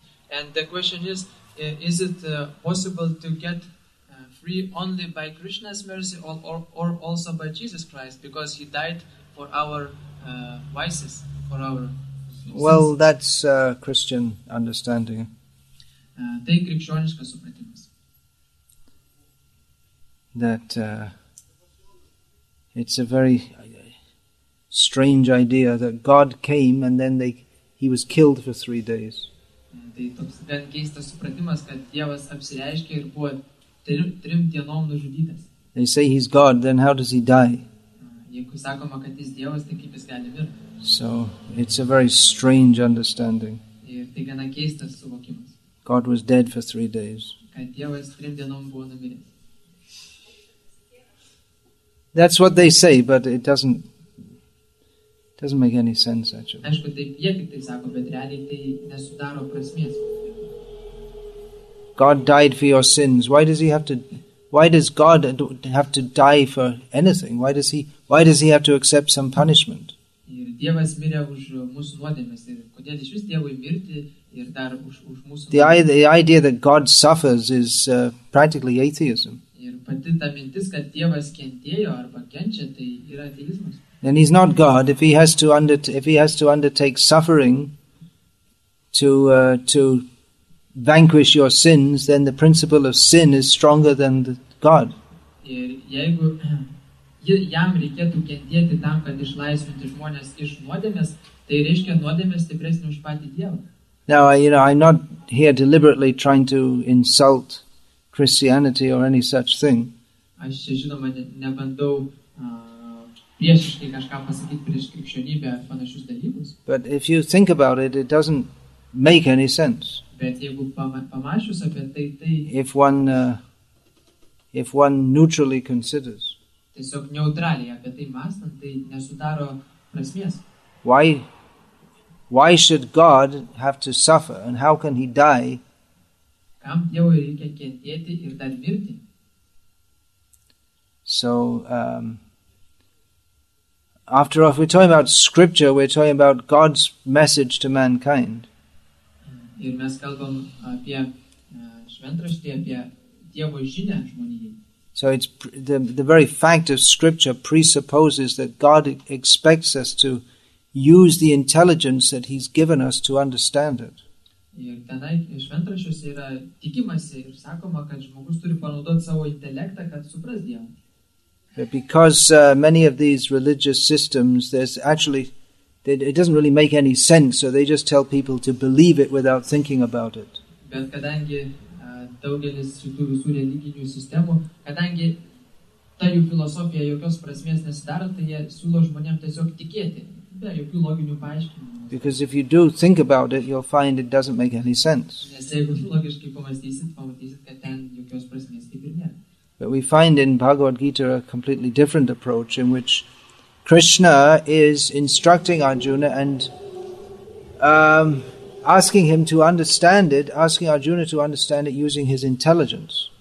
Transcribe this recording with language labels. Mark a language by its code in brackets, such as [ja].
[en] And the question is it possible to get free only by Krishna's mercy or also by Jesus Christ, because he died for our vices, for our sins? Well, that's Christian understanding. [lt] Tai krikščioniškas supratimas. [en] That it's a very strange idea that God came and then he was killed for 3 days. [lt] Tai toks gan keistas supratimas, kad Dievas apsireiškė ir buvo trim dienom nužudytas. [en] They say he's God, then how does he die? [lt] Jeigu sakoma, kad jis Dievas, tai kaip jis gali mirti? [en] So, it's a very strange understanding. [lt] Ir tai gana keistas suvokimas. [en] God was dead for 3 days. [lt] Kad Dievas trim dienom buvo numiręs. [en] That's what they say, but it doesn't... Doesn't make any sense, actually. [lt] Aišku, taip jie kaip tai sako, bet realiai tai nesudaro prasmės. [en] God died for your sins. Why does he have to... Why does God have to die for anything? Why does he have to accept some punishment? [lt] Ir Dievas mirė už mūsų nuodėmes. Ir kodėl iš vis Dievui mirti ir dar už mūsų nuodėmes? [en] The idea that God suffers is practically atheism. [lt] Ir pati ta mintis, kad Dievas kentėjo arba kenčia, tai yra ateizmas. [en] And he's not God if he has to undertake suffering to vanquish your sins, then the principle of sin is stronger than God. [lt] Ir jeigu jam reikėtų kentėti tam, kad išlaisvinti žmonės iš nuodėmės, tai reiškia nuodėmė stipresnė už patį Dievą. [en] Now, you know, I'm not here deliberately trying to insult Christianity or any such thing. [lt] Aš čia, žinoma, nebandau priešiškai kažką pasakyti prieš krikščionybę ar panašius dalykus. [en] But if you think about it, it doesn't make any sense. [lt] Bet jeigu pamačius apie tai, [en] if one neutrally considers, [lt] tiesiog neutraliai apie tai mąstant, tai nesudaro prasmės. [en] Why should God have to suffer and how can he die? [lt] Kam Dievui reikia kentėti ir dar mirti? [en] So, after all, if we're talking about scripture, we're talking about God's message to mankind. [lt] Ir mes kalbam apie šventraštį, apie Dievo žinę žmonijai. [en] So it's the very fact of scripture presupposes that God expects us to use the intelligence that he's given us to understand it. [lt] Ir tenai šventraščiuose yra tikimasi ir sakoma, kad žmogus turi panaudoti savo intelektą, kad supras Dievą. [en] But because many of these religious systems, there's actually, it doesn't really make any sense, so they just tell people to believe it without thinking about it. [lt] Bet kadangi daugelis šitų visų religinių sistemų, kadangi ta jų filosofija jokios prasmės nesidaro, tai jie siūlo žmonėm tiesiog tikėti, be jokių loginių paaiškinimų. [en] Because if you do think about it, you'll find it doesn't make any sense. [lt] Nes jeigu logiškai pamastysit, pamatysit, kad ten jokios prasmės kaip ir nėra. [en] But we find in Bhagavad Gita a completely different approach in which Krishna is instructing Arjuna and asking him to understand it, asking Arjuna to understand it using his intelligence.